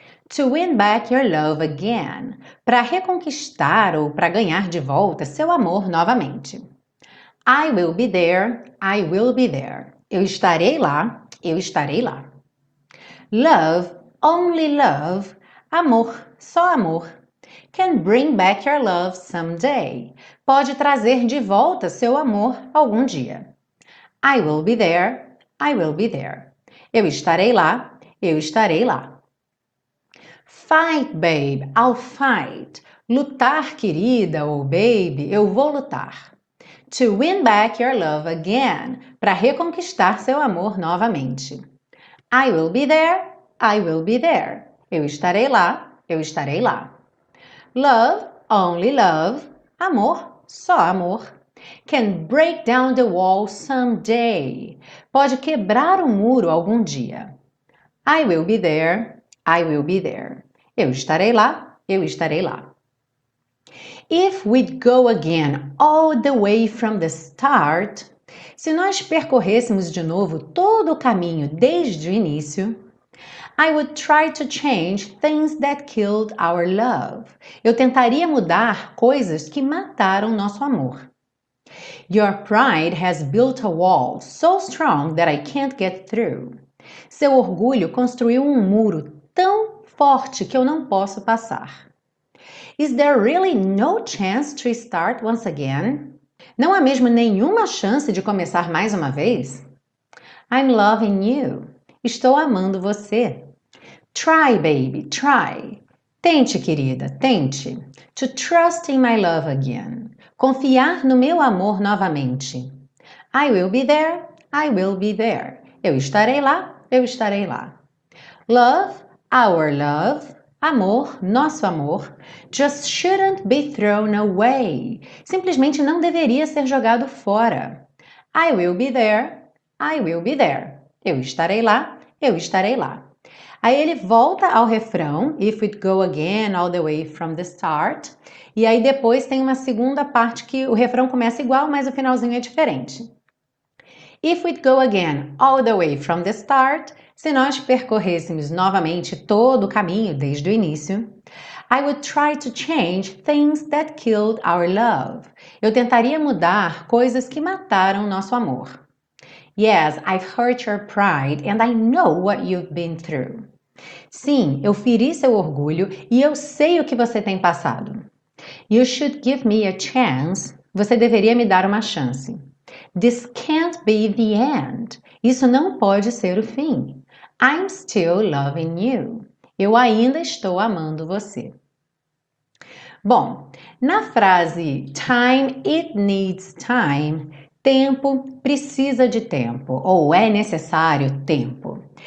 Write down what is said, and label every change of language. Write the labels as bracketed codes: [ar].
[en] To win back your love again. [pt] Para reconquistar ou para ganhar de volta seu amor novamente. [en] I will be there, I will be there. [pt] Eu estarei lá, eu estarei lá. [en] Love, only love. [pt] Amor, só amor. [en] Can bring back your love someday. [pt] Pode trazer de volta seu amor algum dia. [en] I will be there, I will be there. [pt] Eu estarei lá, eu estarei lá. [en] Fight, babe, I'll fight. [pt] Lutar, querida ou baby, eu vou lutar. [en] To win back your love again, [pt] para reconquistar seu amor novamente. [en] I will be there, I will be there. [pt] Eu estarei lá, eu estarei lá. [en] Love, only love. [pt] Amor, só amor. [en] Can break down the wall someday. [pt] Pode quebrar um muro algum dia. [en] I will be there, I will be there. [pt] Eu estarei lá, eu estarei lá. [en] If we'd go again all the way from the start, [pt] se nós percorrêssemos de novo todo o caminho desde o início, [en] I would try to change things that killed our love. [pt] Eu tentaria mudar coisas que mataram nosso amor. [en] Your pride has built a wall so strong that I can't get through. [pt] Seu orgulho construiu um muro tão forte que eu não posso passar. [en] Is there really no chance to start once again? [pt] Não há mesmo nenhuma chance de começar mais uma vez? [en] I'm loving you. [pt] Estou amando você. [en] Try, baby, try. [pt] Tente, querida, tente. [en] To trust in my love again. [pt] Confiar no meu amor novamente. [en] I will be there, I will be there. [pt] Eu estarei lá, eu estarei lá. [en] Love, our love. [pt] Amor, nosso amor. [en] Just shouldn't be thrown away. [pt] Simplesmente não deveria ser jogado fora. [en] I will be there, I will be there. [pt] Eu estarei lá, eu estarei lá. Aí ele volta ao refrão, [en] If We'd Go Again, All the Way from the Start. [pt] E aí depois tem uma segunda parte que o refrão começa igual, mas o finalzinho é diferente. [en] If We'd Go Again, All the Way from the Start. [pt] Se nós percorrêssemos novamente todo o caminho desde o início. [en] I would try to change things that killed our love. [pt] Eu tentaria mudar coisas que mataram nosso amor. [en] Yes, I've hurt your pride and I know what you've been through. [pt] Sim, eu feri seu orgulho e eu sei o que você tem passado. [en] You should give me a chance. [pt] Você deveria me dar uma chance. [en] This can't be the end. [pt] Isso não pode ser o fim. [en] I'm still loving you. [pt] Eu ainda estou amando você. Bom, na frase [en] time, it needs time, [pt] tempo precisa de tempo, ou é necessário tempo.